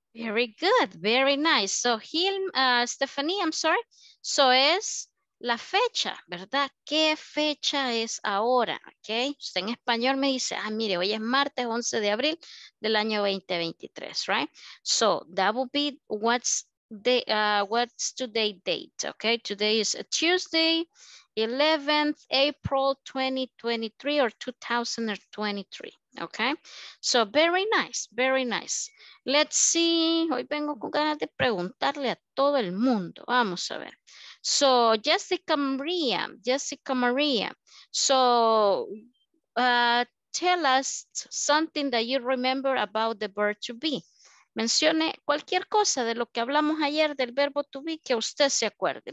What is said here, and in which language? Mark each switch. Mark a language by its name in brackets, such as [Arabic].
[English] Very good, very nice. So, Stephanie, I'm sorry. So, [Spanish] es la fecha, ¿verdad? ¿Qué fecha es ahora? [English] Okay. [Spanish] Usted en español me dice, ah, mire, hoy es martes 11 de abril del año 2023, [English] right? So, that would be what's the what's today date? Okay, today is a Tuesday, 11th April 2023 or 2023. Okay, so very nice, very nice. Let's see. [Spanish] Hoy vengo con ganas de preguntarle a todo el mundo. Vamos a ver. [English] So Jessica Maria. So tell us something that you remember about the verb to be. [Spanish] Mencione cualquier cosa de lo que hablamos ayer del verbo [English] to be [Spanish] que usted se acuerde.